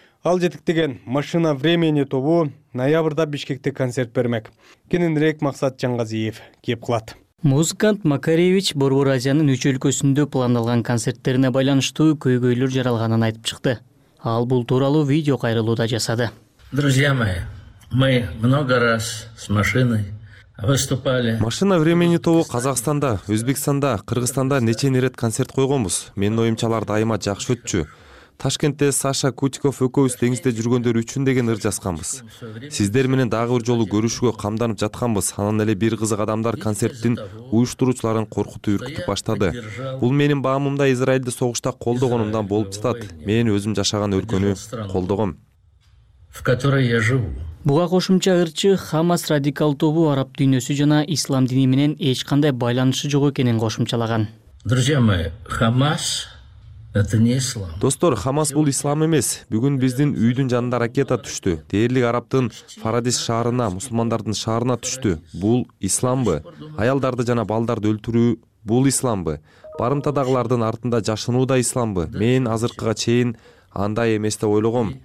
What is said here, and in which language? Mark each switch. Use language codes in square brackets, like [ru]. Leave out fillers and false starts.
[ky] Ал жетектеген Машина времени тобу ноябрда Бишкекте концерт бермек. Кененирээк Максат Жангазиев кеп кылат. Музыкант Макаревич Борбор Азиянын 3 өлкөсүндө пландалган концерттерине байланыштуу көйгөйлөр жаралганын айтып чыкты. Ал бул тууралуу видео кайрылууда жасады. [ru] Друзья мои, мы много раз с машиной выступали. [ky] Машина времени тобу Казакстанда, Өзбекстанда, Кыргызстанда нече нерет концерт койгонбуз. Менин оюмча алар дайыма жакшы өтчү. Ташкентте Саша Кутиков экөөбүз теңизде жүргөндөр үчүн деген ыр жазганбыз. Сиздер менен дагы бир жолу көрүшүүгө камданып жатканбыз. Анан эле бир кызык адамдар концерттин уюштуруучуларын коркутуп үркүтүп баштады. Бул менин баамымда Израилди согушта колдогонумдан болуп жатат. Мен өзүм жашаган өлкөнү колдогом. [ru] В которой я живу. [ky] Буга кошумча ырчы Хамас радикал тобу араб дүйнөсү жана ислам дини менен эч кандай байланышы жок экенин кошумчалаган. [ru] Друзья мои, Хамас это не ислам. [ky] Достор, Хамас бул ислам эмес. Бүгүн биздин үйдүн жанында ракета түштү. Дээрлик арабтын Фарадис шаарына, мусулмандардын шаарына түштү. Бул исламбы? Аялдарды жана балдарды өлтүрүү бул исламбы? Барымтадагылардын артында жашынуу да исламбы? Мен азыркыга чейин андай эмес деп ойлогом.